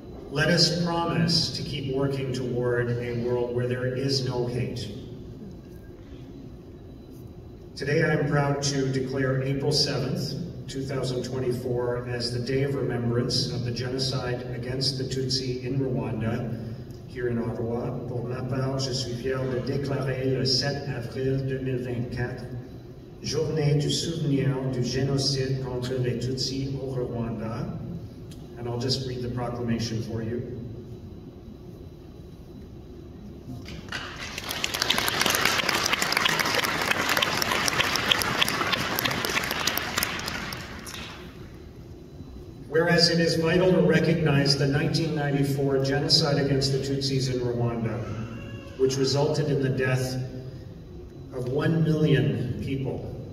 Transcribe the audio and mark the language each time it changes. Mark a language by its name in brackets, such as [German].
[English] Let us promise to keep working toward a world where there is no hate. Today I am proud to declare April 7th, 2024 as the Day of Remembrance of the Genocide against the Tutsi in Rwanda, here in Ottawa. [French] Pour ma part, je suis fier de déclarer le 7 avril 2024, Journée du Souvenir du Génocide contre les Tutsi au Rwanda. [English] And I'll just read the proclamation for you. Whereas it is vital to recognize the 1994 genocide against the Tutsis in Rwanda, which resulted in the death of 1 million people,